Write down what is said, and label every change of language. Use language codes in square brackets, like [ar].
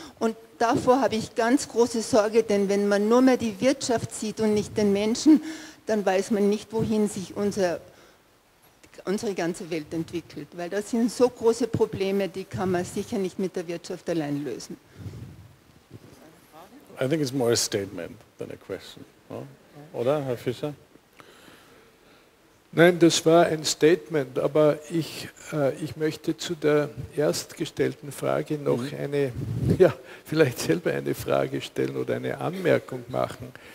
[de] Und davor habe ich ganz große Sorge, denn wenn man nur mehr die Wirtschaft sieht und nicht den Menschen, dann weiß man nicht, wohin sich unsere ganze Welt entwickelt. Weil das sind so große Probleme, die kann man sicher nicht mit der Wirtschaft allein lösen. [en] I think it's more a statement than a question. [de] Oder, Herr Fischer? Nein, das war ein Statement, aber ich möchte zu der erstgestellten Frage noch eine, ja, vielleicht selber eine Frage stellen oder eine Anmerkung machen.